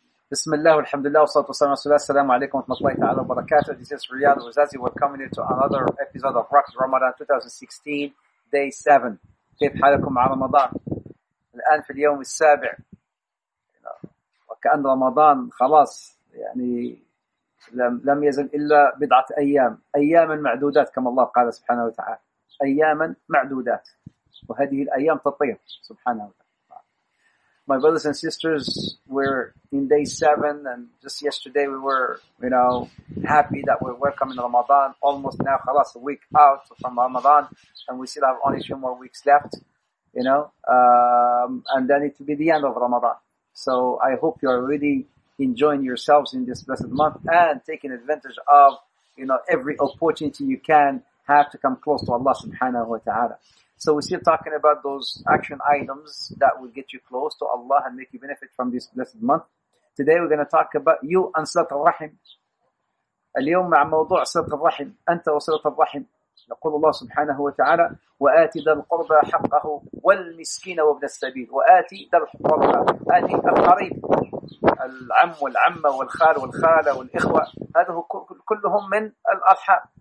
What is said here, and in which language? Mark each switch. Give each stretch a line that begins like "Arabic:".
Arabic: بسم الله والحمد لله والصلاة والسلام على رسول الله السلام عليكم ورحمة الله تعالى وبركاته.
English: This is Riyad Wazazi welcoming you to another episode of Rocks Ramadan 2016 Day 7.
Arabic: كيف حالكم مع رمضان؟ الآن في اليوم السابع وكأن رمضان خلاص يعني لم يزل إلا بضعة أيام، أياما معدودات كما الله قال سبحانه وتعالى، أياما معدودات وهذه الأيام تطير سبحانه وتعالى.
English: My brothers and sisters, we're in day 7, and just yesterday we were, you know, happy that we're welcoming Ramadan, almost now, خلاص, a week out from Ramadan, and we still have only a few more weeks left, you know, and then it will be the end of Ramadan. So I hope you're really enjoying yourselves in this blessed month and taking advantage of, you know, every opportunity you can have to come close to Allah subhanahu wa ta'ala. So we're still talking about those action items that will get you close to Allah and make you benefit from this blessed month. Today we're going to talk about you and Salat al-Rahim.
Arabic: اليوم مع موضوع صلاة الرحم، أنت وصلاة الرحم. يقول الله سبحانه وتعالى وآتي ذا القربى حقه والمسكين وابن السبيل وآتي ذا القربى، آتي القريب، العم والعمة والخال والخالة والإخوة، هذا كلهم من الأرحام.